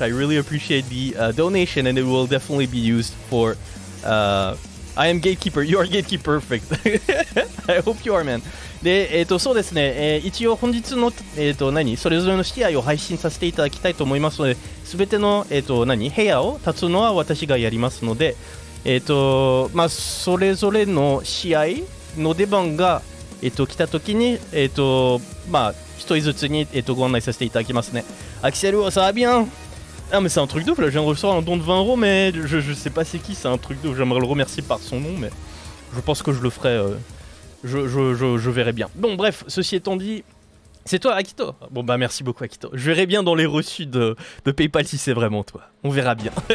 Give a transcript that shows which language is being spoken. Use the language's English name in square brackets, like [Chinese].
[English] I really appreciate the donation, and it will definitely be used for... I am gatekeeper, you are gatekeeper, perfect. I hope you are, man. [Japanese] で、そうですね、一応本日の、それぞれの試合を配信させていただきたいと思いますので、全ての、部屋を立つのは私がやりますので、それぞれの試合の出番が、来た時に、一人ずつに、ご案内させていただきますね。アクセル、サービアン。 [French] Ah mais c'est un truc de ouf là, je viens de recevoir un don de 20 euros, mais je sais pas c'est qui, c'est un truc de ouf, j'aimerais le remercier par son nom, mais je pense que je le ferai, je verrai bien. Bon bref, ceci étant dit, c'est toi Akito? Bon bah merci beaucoup Akito, je verrai bien dans les reçus de PayPal si c'est vraiment toi, on verra bien.